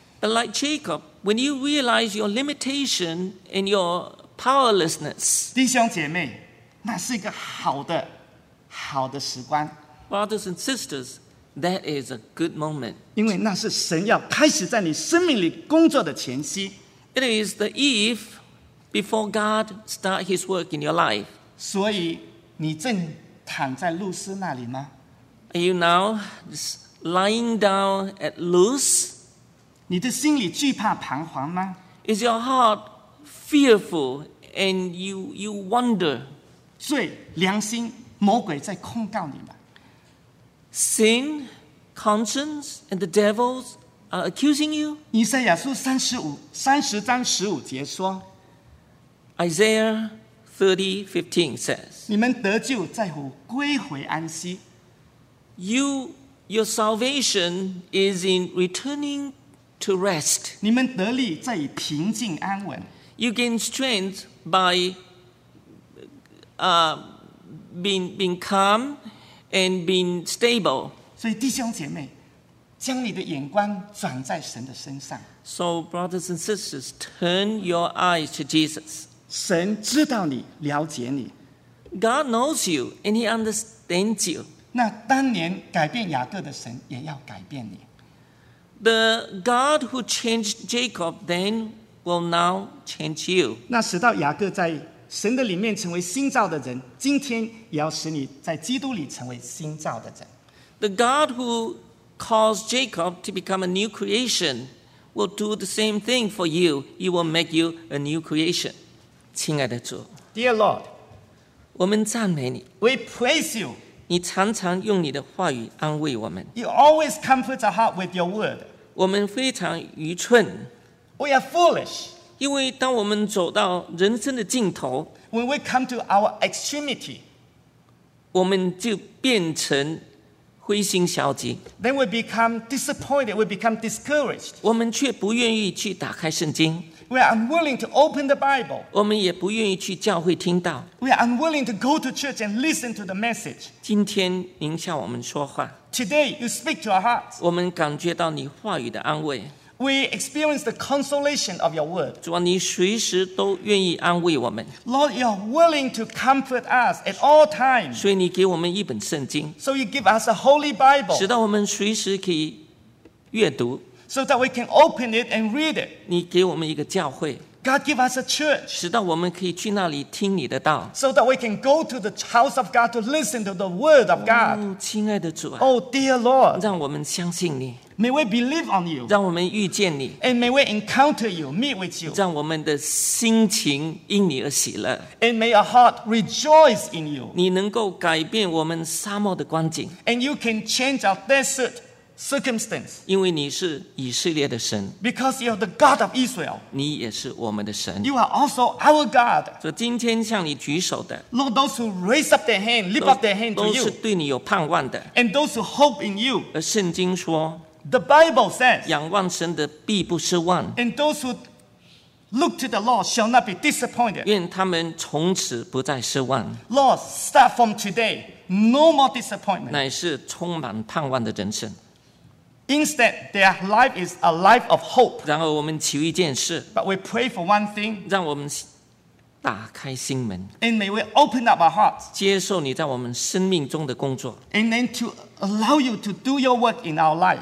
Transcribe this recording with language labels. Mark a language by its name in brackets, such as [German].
[English] ，But like Jacob, when you realize your limitation and your powerlessness, [Chinese] 弟兄姐妹，那是一个好的时光。 [English] Brothers and sisters. That is a good moment. [Chinese] 因为那是神要开始在你生命里工作的前夕。 [English] It is the eve before God starts His work in your life. [Chinese] 所以你正躺在路斯那里吗？ [English] Are you now lying down at Luz? [Chinese] 你的心里惧怕彷徨吗？ [English] Is your heart fearful and you wonder? [Chinese] 罪、良心、魔鬼在控告你吗？ [English] Sin, conscience, and the devils are accusing you. [Chinese] 以赛亚书30章15节说 [English] ，Isaiah 30:15 says, [Chinese] 你们得救在乎归回安息。 [English] Your salvation is in returning to rest. [Chinese] 你们得力在以平静安稳。 [English] You gain strength by being calm. And being stable. [Chinese] 所以弟兄姐妹，将你的眼光转在神的身上。 [English] So brothers and sisters, turn your eyes to Jesus. [Chinese] 神知道你，了解你。 [English] God knows you and He understands you. [Chinese] 那当年改变雅各的神也要改变你。 [English] The God who changed Jacob then will now change you. [Chinese] 那使到雅各在神的里面成为新造的人，今天也要使你在基督里成为新造的人。 [English] The God who caused Jacob to become a new creation will do the same thing for you. He will make you a new creation. [Chinese] 亲爱的主。 [English] Dear Lord, [Chinese] 我们赞美你。 [English] We praise you. [Chinese] 你常常用你的话语安慰我们。 [English] You always comfort our heart with your word. [Chinese] 我们非常愚蠢。 [English] We are foolish. [Chinese] 因为当我们走到人生的尽头， [English] When we come to our extremity, [Chinese] 我们就变成灰心消极。 [English] Then we become disappointed. We become discouraged. [Chinese] 我们却不愿意去打开圣经。 [English] We are unwilling to open the Bible. [Chinese] 我们也不愿意去教会听到。 [English] We are unwilling to go to church and listen to the message. [Chinese] 今天您向我们说话。 [English] Today you speak to our hearts. [Chinese] 我们感觉到你话语的安慰。 [English] We experience the consolation of your word. [Chinese] 主啊，你随时都愿意安慰我们。 [English] Lord, you are willing to comfort us at all times. [Chinese] 所以你给我们一本圣经。 [English] So you give us a holy Bible. [Chinese] 使到我们随时可以阅读。 [English] So that we can open it and read it. [Chinese] 你给我们一个教会。 [English] God give us a church. [Chinese] 使到我们可以去那里听你的道。 [English] So that we can go to the house of God to listen to the word of God. [Chinese] 哦，亲爱的主啊。 [English] Oh, dear Lord. [Chinese] 让我们相信你。 [English] May we believe on you. [Chinese] 让我们遇见你。 [English] And may we encounter you, meet with you. [Chinese] 让我们的心情因你而喜乐。 [English] And may our heart rejoice in you. [Chinese] 你能够改变我们沙漠的光景。 [English] And you can change our desert circumstance. [Chinese] 因为你是以色列的神。 [English] Because you are the God of Israel. [Chinese] 你也是我们的神。 [English] You are also our God. [Chinese] 所以今天向你举手的。 [English] Lord, those who raise up their hand, lift up their hand to you. [Chinese] 都是对你有盼望的。 [English] And those who hope in you. [Chinese] 而圣经说。 [English] The Bible says, [Chinese] 仰望神的必不失望。 [English] And those who look to the Lord shall not be disappointed. [Chinese] 愿他们从此不再失望。 [English] Lord, start from today, no more disappointment. [Chinese] 乃是充满盼望的人生。 [English] Instead, their life is a life of hope. [Chinese] 然后我们求一件事。 [English] But we pray for one thing. [Chinese] 让我们打开心门。 [English] And may we open up our hearts. [Chinese] 接受你在我们生命中的工作。 [English] And then to allow you to do your work in our life.